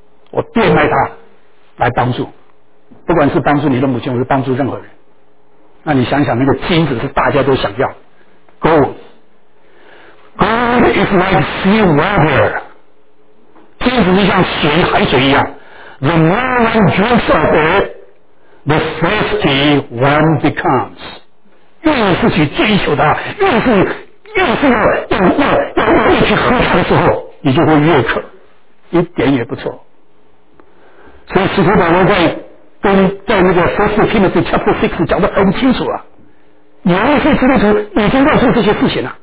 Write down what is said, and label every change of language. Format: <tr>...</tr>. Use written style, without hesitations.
<zh>我变卖它来帮助，不管是帮助你的母亲，或是帮助任何人。那你想想，那个金子是大家都想要 ，</zh> <en>Gold is like sea water，</en> <zh>金子就像水海水一样。</zh> <en>The more one drinks of it, the thirsty one becomes。</en> <zh>越是去追求它，越是要去喝它的时候，你就会越渴。一点也不错。所以使徒保罗在那个</zh> <en>First Timothy Chapter 6</en> <zh>讲得很清楚啊，有一些基督徒已经认识这些事情了。</zh>